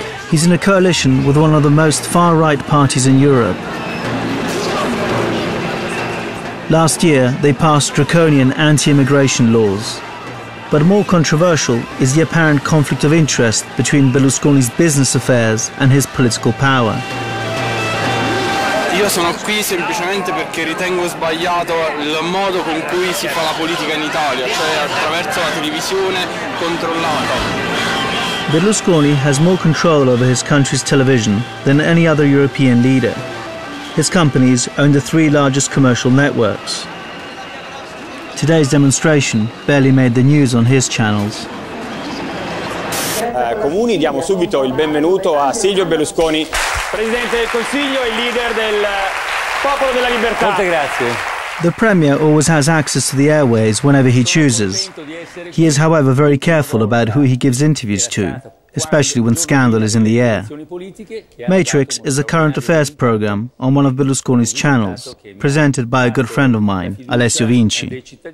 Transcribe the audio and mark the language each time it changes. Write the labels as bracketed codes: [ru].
[en] He's in a coalition with one of the most far-right parties in Europe. Last year, they passed draconian anti-immigration laws. But more controversial is the apparent conflict of interest between Berlusconi's business affairs and his political power. [it] Io sono qui semplicemente perché ritengo sbagliato il modo con cui si fa la politica in Italia, cioè attraverso la televisione controllata. [en] Berlusconi has more control over his country's television than any other European leader. His companies own the three largest commercial networks. Today's demonstration barely made the news on his channels. [it] Comuni, diamo subito il benvenuto a Silvio Berlusconi. Presidente del Consiglio e leader del Popolo della Libertà. Molte grazie. [en] The Premier always has access to the airways whenever he chooses. He is, however, very careful about who he gives interviews to, especially when scandal is in the air. Matrix is a current affairs program on one of Berlusconi's channels, presented by a good friend of mine, Alessio Vinci.